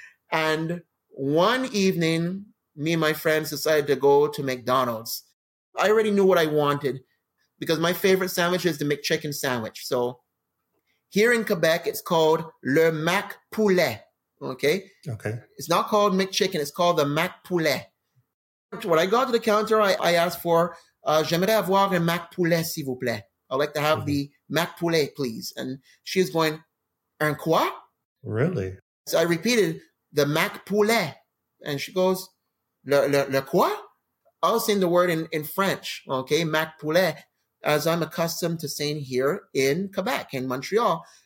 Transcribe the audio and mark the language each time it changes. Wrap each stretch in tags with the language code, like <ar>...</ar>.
<en>And one evening, me and my friends decided to go to McDonald's. I already knew what I wanted because my favorite sandwich is the McChicken sandwich. So here in Quebec, it's called Le Mac Poulet. Okay? Okay. It's not called McChicken. It's called the Mac Poulet. When I got to the counter, I asked for,</en> <fr>j'aimerais avoir un mac poulet, s'il vous plaît.</fr> <en>I'd like to have the mac poulet, please. And she was going,</en> <fr>un quoi?</fr> <en>Really? So I repeated, the mac poulet. And she goes,</en> <fr>le quoi?</fr> <en>I was saying the word in French, okay, mac poulet, as I'm accustomed to saying here in Quebec, in Montreal.</en>